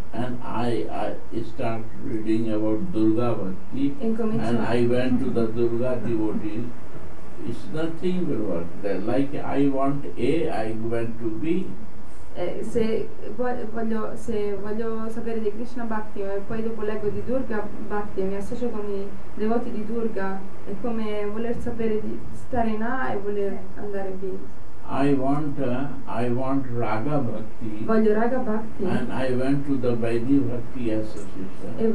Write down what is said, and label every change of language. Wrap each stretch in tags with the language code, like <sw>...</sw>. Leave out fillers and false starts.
<en>and I start reading about Durga Bhakti, and I went to the Durga devotees, it's nothing will work. Like I want A, I went to B.</en> <it>Se voglio sapere di Krishna Bhakti e poi dopo leggo di Durga Bhakti e mi associo con i devoti di Durga, è come voler sapere di stare in A e voler andare B.</it> <en>I want Raga Bhakti.</en> <it>Voglio Raga Bhakti.</it> <en>And I went to the Vaidhi Bhakti Association.</en>